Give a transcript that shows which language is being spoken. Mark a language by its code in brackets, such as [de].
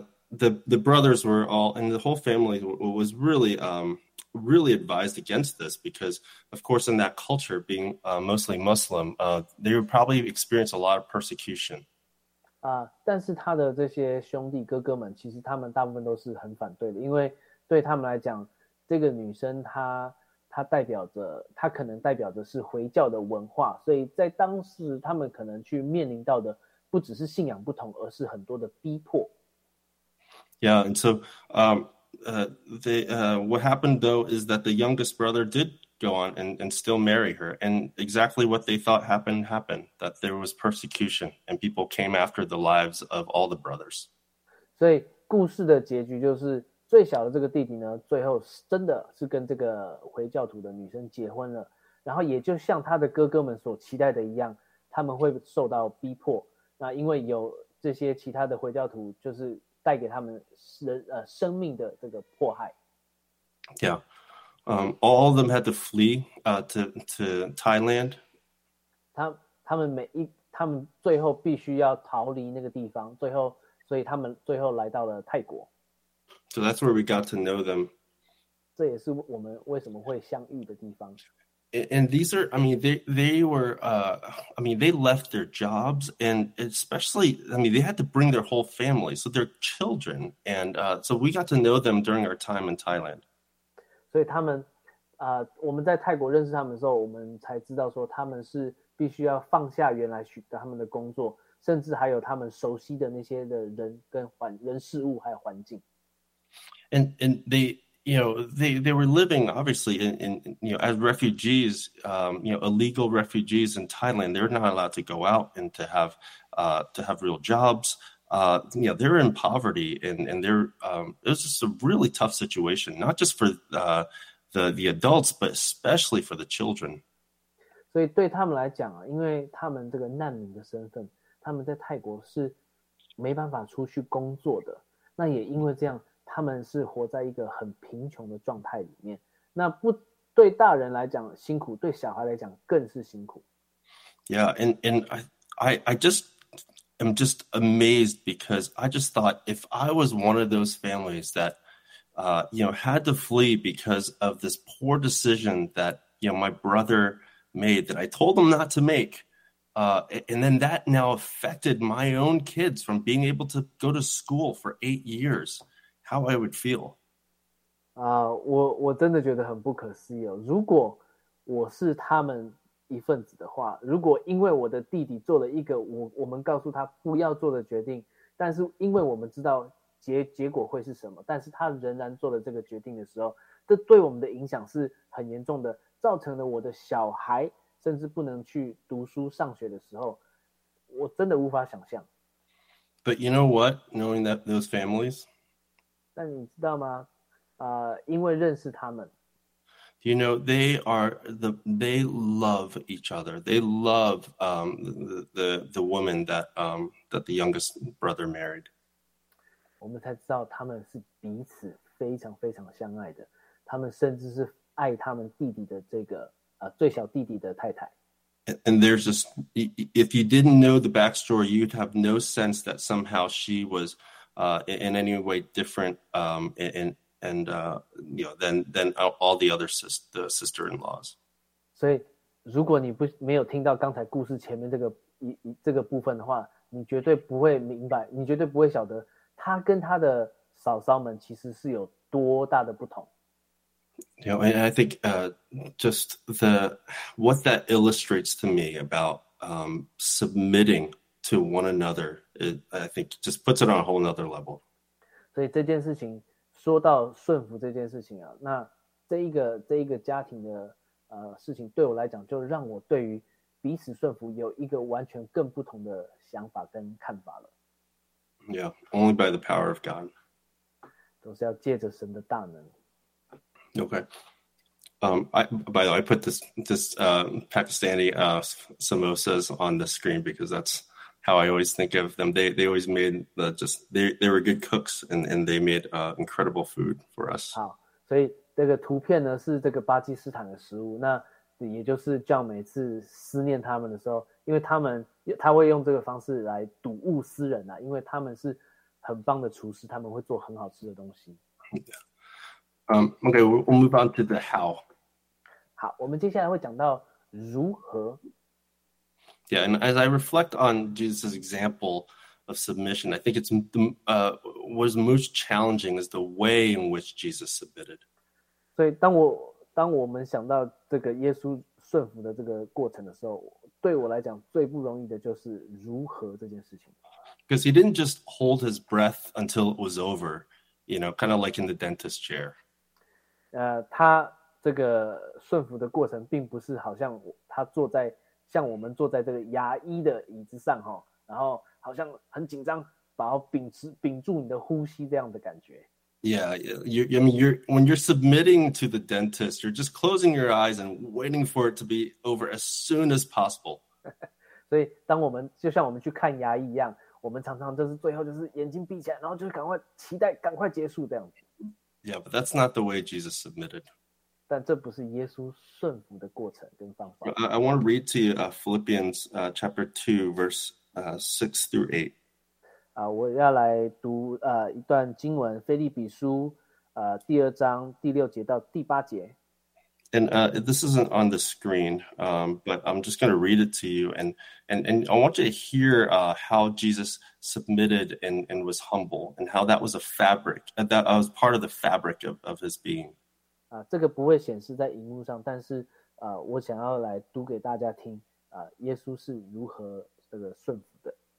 [en] the brothers were all, and the whole family was really really advised against this, because of course in that culture, being mostly Muslim, they would probably experience a lot of persecution. [zh] 但是他的这些兄弟哥哥们，其实他们大部分都是很反对的，因为对他们来讲，这个女生她代表着，她可能代表着是回教的文化，所以在当时他们可能去面临到的不只是信仰不同，而是很多的逼迫。 [en] Yeah, and so what happened though is that the youngest brother did go on and still marry her, and exactly what they thought happened, that there was persecution and people came after the lives of all the brothers. [zh] 所以故事的结局就是最小的这个弟弟呢，最后真的是跟这个回教徒的女生结婚了，然后也就像他的哥哥们所期待的一样，他们会受到逼迫，那因为有这些其他的回教徒就是带给他们生命的这个迫害。 [en] Yeah, all of them had to flee to Thailand. [zh] 他们最后必须要逃离那个地方，最后，所以他们最后来到了泰国。 [en] So that's where we got to know them. [zh] 这也是我们为什么会相遇的地方。 [en] And these are, I mean, they left their jobs, and especially, I mean, they had to bring their whole family, so their children. And so we got to know them during our time in Thailand. [zh] 所以他们，我们在泰国认识他们的时候，我们才知道说他们是必须要放下原来许他们的工作，甚至还有他们熟悉的那些的人跟环人事物还有环境。 [en] And they were living obviously as refugees, illegal refugees in Thailand. They're not allowed to go out and to have real jobs. They're in poverty, and they're it was just a really tough situation, not just for the adults, but especially for the children. [zh] 所以对他们来讲啊，因为他们这个难民的身份，他们在泰国是没办法出去工作的。那也因为这样。他们是活在一个很贫穷的状态里面，那不对大人来讲辛苦，对小孩来讲更是辛苦。 [en] Yeah, and I just am just amazed, because I just thought if I was one of those families that had to flee because of this poor decision that my brother made that I told him not to make, and then that now affected my own kids from being able to go to school for 8 years. How I would feel. [zh] 我真的觉得很不可思议哦。如果我是他们一份子的话，如果因为我的弟弟做了一个我们告诉他不要做的决定，但是因为我们知道结果会是什么，但是他仍然做了这个决定的时候，这对我们的影响是很严重的，造成了我的小孩甚至不能去读书上学的时候，我真的无法想象。 [en] But you know what? Knowing that those families. [zh] 但你知道吗？因为认识他们 [en] ，You know they are the they love each other. They love the woman that the youngest brother married. [zh] 我们才知道他们是彼此非常非常相爱的。他们甚至是爱他们弟弟的这个最小弟弟的太太。 [en] And there's just if you didn't know the backstory, you'd have no sense that somehow she was. In any way different than all the other sister-in-laws. [zh] 所以如果你没有听到刚才故事前面这个部分的话，你绝对不会明白，你绝对不会晓得他跟他的嫂嫂们其实是有多大的不同。 [en] And I think just the what that illustrates to me about submitting to one another,I think just puts it on a whole another level. [zh] 所以这件事情说到顺服这件事情啊，那这一个家庭的事情对我来讲，就让我对于彼此顺服有一个完全更不同的想法跟看法了。 [en] Yeah, only by the power of God. [zh] 都是要借着神的大能。 [en] Okay. By the way, I put this Pakistani samosas on the screen because that's. How I always think of them. They always made they were good cooks and they made incredible food for us. [zh] 好，所以这个图片呢是这个巴基斯坦的食物。那也就是叫每次思念他们的时候，因为他会用这个方式来睹物思人啊，因为他们是很棒的厨师，他们会做很好吃的东西。 [en] Okay, we'll move on to the how. [zh] 好，我们接下来会讲到如何。 [en] Yeah, and as I reflect on Jesus' example of submission, I think it's what is most challenging is the way in which Jesus submitted. [zh] 所以当我们想到这个耶稣顺服的这个过程的时候，对我来讲最不容易的就是如何这件事情。 [en] Because he didn't just hold his breath until it was over, you know, kind of like in the dentist chair. [zh] 他这个顺服的过程并不是好像他坐在像我们坐在这个牙医的椅子上哈，然后好像很紧张，然后屏住你的呼吸这样的感觉。 [en] Yeah, when you're submitting to the dentist, you're just closing your eyes and waiting for it to be over as soon as possible. [zh] 所以当我们就像我们去看牙医一样。我们常常就是最后就是眼睛闭起来，然后就是赶快期待赶快结束这样子。 [en] Yeah, but that's not the way Jesus submitted. [zh] 但这不是耶稣顺服的过程跟方法。 [en] I want to read to you Philippians chapter 2, verse 6-8. [zh] 我要来读一段经文，腓立比书第二章第六节到第八节。 [en] And this isn't on the screen, but I'm just going to read it to you. And I want you to hear how Jesus submitted and was humble, and how that was a fabric, that was part of the fabric of his being. [zh] 这个不会显示在荧幕上，但是我想要来读给大家听，耶稣是如何这个顺服的。